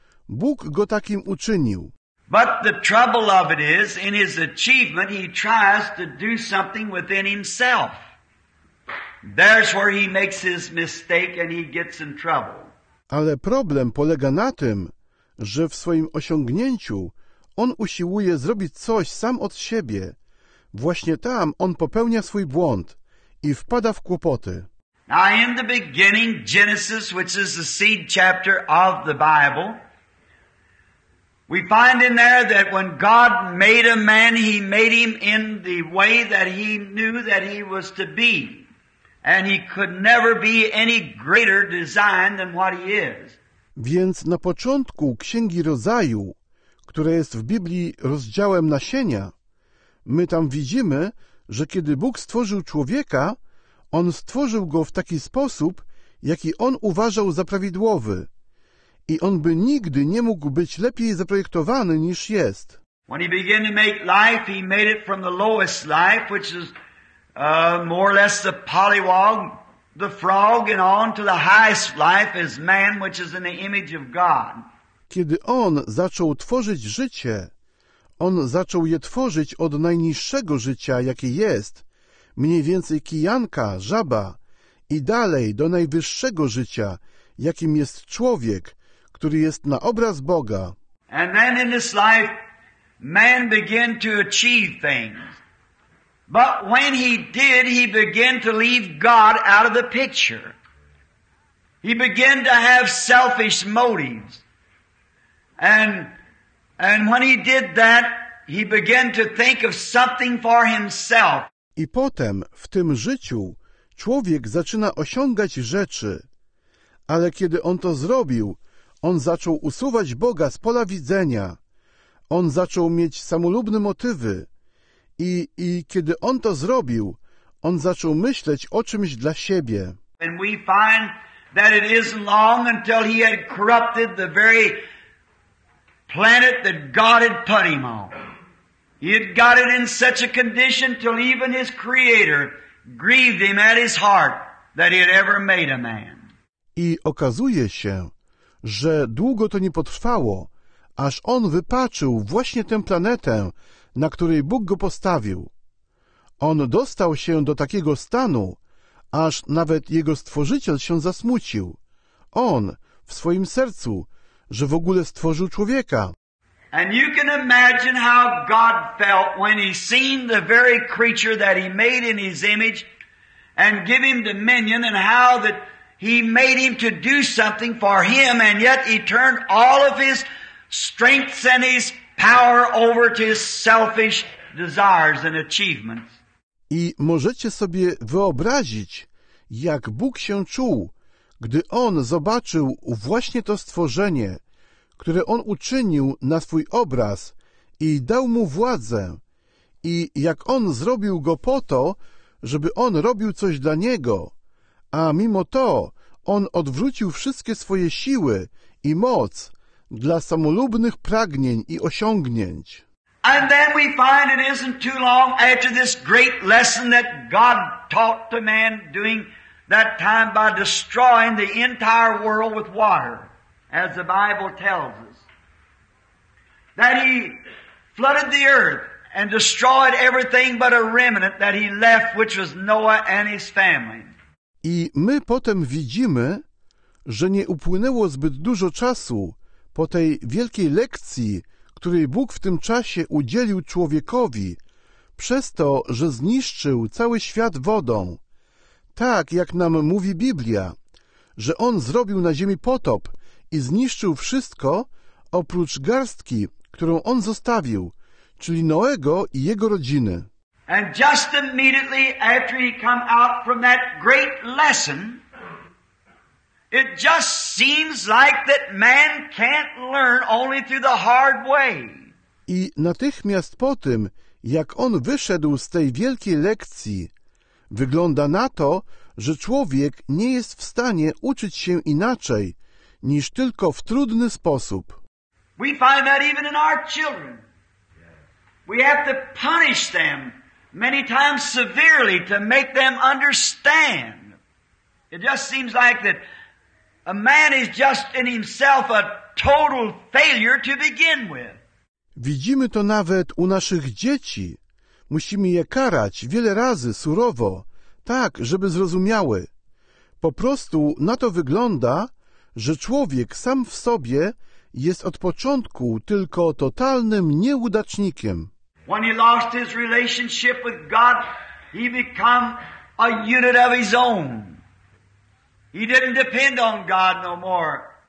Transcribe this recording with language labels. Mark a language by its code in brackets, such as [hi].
[pl] Bóg go takim uczynił. [en] But the trouble of it is, in his achievement, he tries to do something within himself. There's where he makes his mistake and he gets in trouble. [pl] Ale problem polega na tym, że w swoim osiągnięciu on usiłuje zrobić coś sam od siebie. Właśnie tam on popełnia swój błąd i wpada w kłopoty. [en] Now in the beginning, Genesis, which is the seed chapter of the Bible, we find in there that when God made a man, he made him in the way that he knew that he was to be. And he could never be any greater design than what he is. [pl] Więc na początku Księgi Rodzaju, która jest w Biblii rozdziałem nasienia, my tam widzimy, że kiedy Bóg stworzył człowieka, on stworzył go w taki sposób, jaki on uważał za prawidłowy. I on by nigdy nie mógł być lepiej zaprojektowany niż jest. [en] When he began to make life, he made it from the lowest life, which is more or less the polywog, the frog, and on to the highest life as man, which is in the image of God. [pl] Kiedy on zaczął tworzyć życie, on zaczął je tworzyć od najniższego życia, jakie jest, mniej więcej kijanka, żaba, i dalej do najwyższego życia, jakim jest człowiek, który jest na obraz Boga. [en] And then in this life, man began to achieve things. But when he did, he began to leave God out of the picture. He began to have selfish motives. And when he did that, he began to think of something for himself. [pl] I potem, w tym życiu, człowiek zaczyna osiągać rzeczy. Ale kiedy on to zrobił, on zaczął usuwać Boga z pola widzenia. On zaczął mieć samolubne motywy. I kiedy on to zrobił, on zaczął myśleć o czymś dla siebie. [en] And we find that it isn't long until he had corrupted the very planet that God had put him on. He had got it in such a condition till even his creator grieved him at his heart that he had ever made a man. [pl] I okazuje się, że długo to nie potrwało, aż on wypaczył właśnie tę planetę, na której Bóg go postawił. On dostał się do takiego stanu, aż nawet jego stworzyciel się zasmucił. On w swoim sercu, że w ogóle stworzył człowieka. [en] And you can imagine how God felt when he seen the very creature that he made in his image and give him dominion, and how that he made him to do something for him, and yet he turned all of his strengths and his power over to his selfish desires and achievements. [pl] I możecie sobie wyobrazić, jak Bóg się czuł, gdy on zobaczył właśnie to stworzenie, które on uczynił na swój obraz i dał mu władzę, i jak on zrobił go po to, żeby on robił coś dla niego. A mimo to, On odwrócił wszystkie swoje siły i moc dla samolubnych pragnień i osiągnięć. [en] And then we find it isn't too long after this great lesson that God taught to man doing that time by destroying the entire world with water, as the Bible tells us, that he flooded the earth and destroyed everything but a remnant that he left, which was Noah and his family. [pl] I my potem widzimy, że nie upłynęło zbyt dużo czasu po tej wielkiej lekcji, której Bóg w tym czasie udzielił człowiekowi, przez to, że zniszczył cały świat wodą. Tak, jak nam mówi Biblia, że On zrobił na ziemi potop i zniszczył wszystko, oprócz garstki, którą On zostawił, czyli Noego i jego rodziny. [en] And just immediately after he come out from that great lesson, it just seems like that man can't learn only through the hard way. [pl] I natychmiast po tym, jak on wyszedł z tej wielkiej lekcji, wygląda na to, że człowiek nie jest w stanie uczyć się inaczej niż tylko w trudny sposób. [en] We find that even in our children. We have to punish them many times severely to make them understand. It just seems like that a man is just in himself a total failure to begin with. [pl] Widzimy to nawet u naszych dzieci. Musimy je karać wiele razy surowo, tak, żeby zrozumiały. Po prostu na to wygląda, że człowiek sam w sobie jest od początku tylko totalnym nieudacznikiem. [en] When he lost his relationship with God, he became a unit of his own. He didn't depend on God no more.